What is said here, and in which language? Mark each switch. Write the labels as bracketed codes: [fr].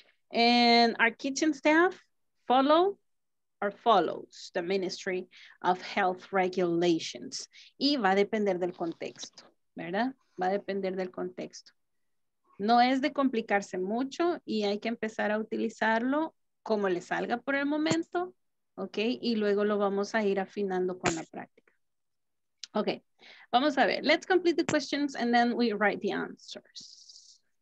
[en] And our kitchen staff follows the Ministry of Health regulations. [es] Y va a depender del contexto, ¿verdad? Va a depender del contexto. No es de complicarse mucho y hay que empezar a utilizarlo como le salga por el momento, ¿ok? Y luego lo vamos a ir afinando con la práctica. Ok, vamos a ver. [en] Let's complete the questions and then we write the answers.